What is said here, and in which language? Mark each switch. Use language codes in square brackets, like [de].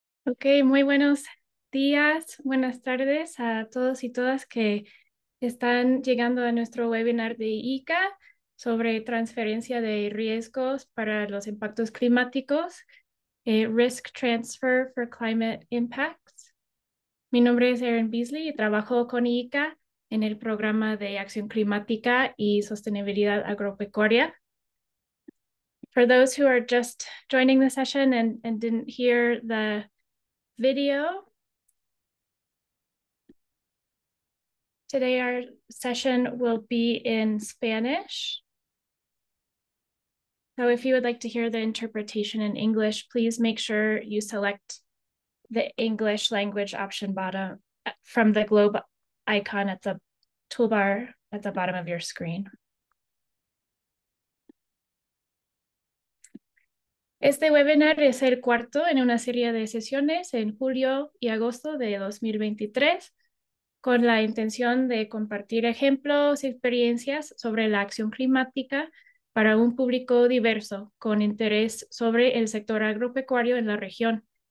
[es] Ok, muy buenos días, buenas tardes a todos y todas que están llegando a nuestro webinar de ICA sobre transferencia de riesgos para los impactos climáticos, [en] Risk Transfer for Climate Impacts. [es] Mi nombre es Erin Beasley y trabajo con ICA en el programa de acción climática y sostenibilidad agropecuaria. [en] For those who are just joining the session and didn't hear the video. Today our session will be in Spanish. So if you would like to hear the interpretation in English, please make sure you select the English language option bottom from the globe icon at the toolbar at the bottom of your screen. [es] Este webinar es el cuarto en una serie de sesiones en julio y agosto de 2023 con la intención de compartir ejemplos y experiencias sobre la acción climática para un público diverso con interés sobre el sector agropecuario en la región.